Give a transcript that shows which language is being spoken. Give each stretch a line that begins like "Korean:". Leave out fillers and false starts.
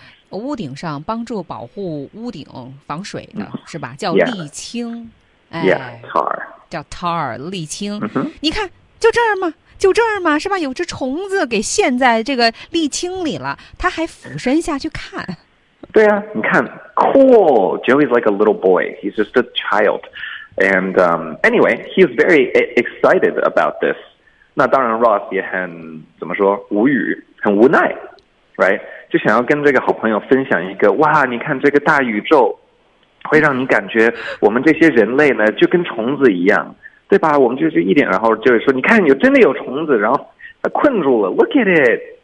Chinese: 屋顶上帮助保护屋顶防水的是吧？叫沥青。
English: Yeah. 哎、 yeah, tar.
Chinese: 叫 tar, 沥青。你看，就这儿吗？是吧？有只虫子给陷在这个沥青里了，它还俯身下去看。对啊，你看
English: ，cool. Joey's like a little boy. He's just a child, and anyway, he's very excited about this.
Chinese: 那当然 ，Ross 也很怎么说，无语，很无奈 ，
English: right?
Chinese: 就想要跟这个好朋友分享一个，哇，你看这个大宇宙，会让你感觉我们这些人类呢就跟虫子一样，对吧？我们就一点，然后 Joey 说，你看有真的有虫子，然后他困住了 ，
English: Look at it。